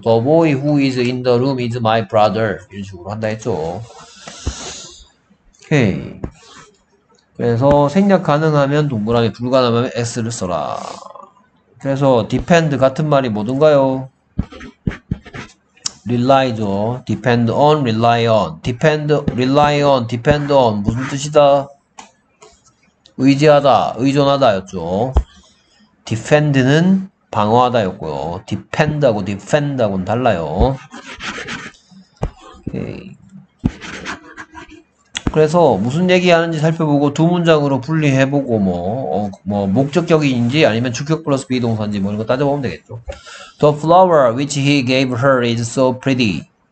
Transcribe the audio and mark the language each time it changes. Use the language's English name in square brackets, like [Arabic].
[English] The boy who is in the room is my brother. [Korean] 이런 식으로 한다 했죠. 오케이. 그래서 생략 가능하면 동그라미, 불가능하면 X를 써라. 그래서 depend 같은 말이 뭐든가요? rely죠. [English] depend on, rely on. depend, rely on, depend on. [Korean] 무슨 뜻이다? 의지하다, 의존하다였죠. defend는 방어하다였고요. depend하고 defend하고는 달라요. 오케이. 그래서 무슨 얘기하는지 살펴보고 두 문장으로 분리해보고 뭐 목적격인지 아니면 주격 플러스 비동사인지 뭐 이런 거 따져보면 되겠죠. [English] The flower which he gave her is so pretty.